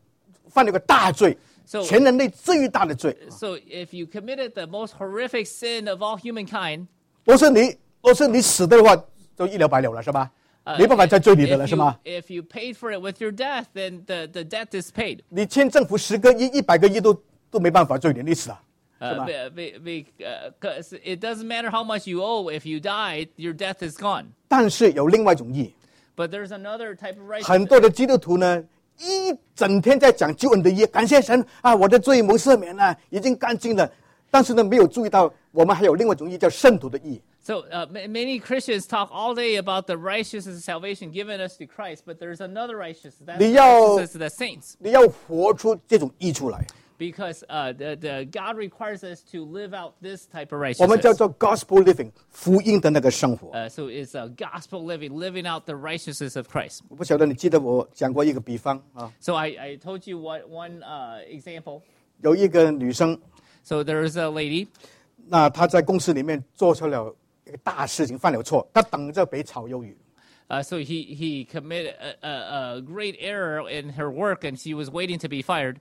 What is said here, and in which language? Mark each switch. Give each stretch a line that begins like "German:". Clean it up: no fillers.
Chinese: 比如说你今天犯了个大罪, 全人类最大的罪,
English: so if you committed the most horrific sin of all humankind,
Chinese: 不是你死的话, 就一了百了了是吧? 没办法再追你的了是吗?
English: If you paid for it with your death, then the debt is paid.
Chinese: 你欠政府十个亿, 一百个亿都 没办法追你, 你死了。
English: Because it doesn't matter how much you owe, if you die, your death is gone.
Chinese: 但是有另外一种义,
English: but there's another type of righteousness.
Chinese: 很多的基督徒呢, 一整天在讲救恩的义, 感谢神, 啊, 我的罪蒙赦免了, 已经干净了, 但是呢, 没有注意到, 我们还有另外一种义, 叫圣徒的义。
English: So many Christians talk all day about the righteousness of salvation given us to Christ, but there's another righteousness, that's
Chinese: 你要,
English: righteousness of the saints.
Chinese: 你要活出这种义出来。
English: Because the God requires us to live out this type of righteousness.
Chinese: 我们叫做
English: gospel living,
Chinese: 福音的那个生活。
English: So it's a gospel living, living out the righteousness of Christ.
Chinese: 我不晓得你记得我讲过一个比方,
English: So I told you one example.
Chinese: 有一个女生,
English: So there is a lady.
Chinese: 那她在公司里面做出了一个大事情,犯了错, 她等着被炒鱿鱼。
English: So he committed a great error in her work and she was waiting to be fired.